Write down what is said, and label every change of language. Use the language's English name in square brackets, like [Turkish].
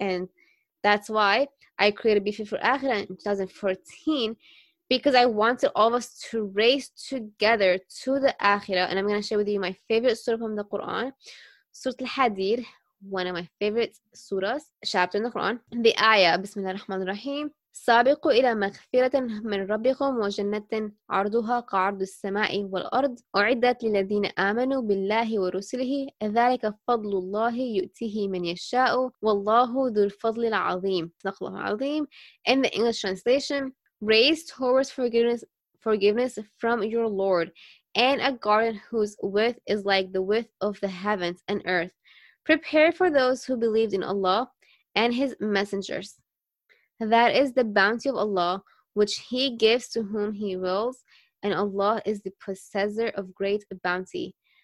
[English] And that's why I created Be Fit for Akhirah in 2014, because I wanted all of us to race together to the Akhirah. And I'm going to share with you my favorite surah from the Quran, Surah Al-Hadid, one of my favorite surahs, chapter in the Quran. The ayah, Bismillah ar-Rahman ar-Rahim. [Arabic] سابقوا إلى مغفرة من ربكم وجنة عرضها كعرض السماء والأرض أعدت للذين آمنوا بالله ورسله ذلك فضل الله يؤتيه من يشاء والله ذو الفضل العظيم. صدق الله العظيم. [English] In the English translation, raised towards forgiveness from your Lord, and a garden whose width is like the width of the heavens and earth, prepared for those who believed in Allah and His messengers. That is the bounty of Allah, which He gives to whom He wills, and Allah is the possessor of great bounty.